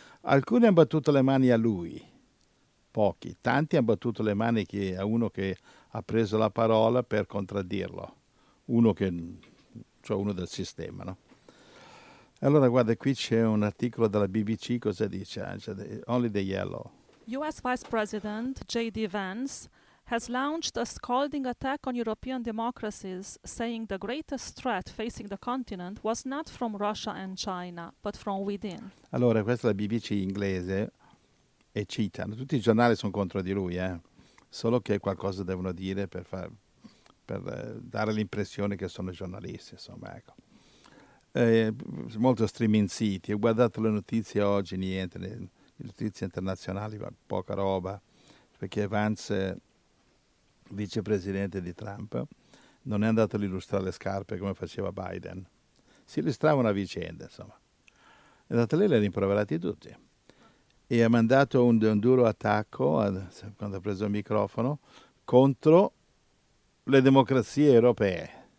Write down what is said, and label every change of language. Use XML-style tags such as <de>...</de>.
<it>Alcuni hanno battuto le mani a lui, pochi. Tanti hanno battuto le mani a uno che ha preso la parola per contraddirlo. Uno del sistema, no? Allora, guarda, qui c'è un articolo della BBC, cosa dice?</it> <en>Only the yellow. U.S. Vice President J.D. Vance has launched a scolding attack on European democracies, saying the greatest threat facing the continent was not from Russia and China, but from within.</en> <it>Allora, questa è la BBC inglese e cita. Tutti i giornali sono contro di lui, solo che qualcosa devono dire per dare l'impressione che sono giornalisti, insomma, ecco. Molto streaming siti, ho guardato le notizie oggi, niente, le notizie internazionali, poca roba, perché Vance, vicepresidente di Trump, non è andato a illustrare le scarpe come faceva Biden, si illustrava una vicenda, insomma, è andato lì e li ha rimproverati tutti, e ha mandato un duro attacco, quando ha preso il microfono, contro le democrazie europee,</it>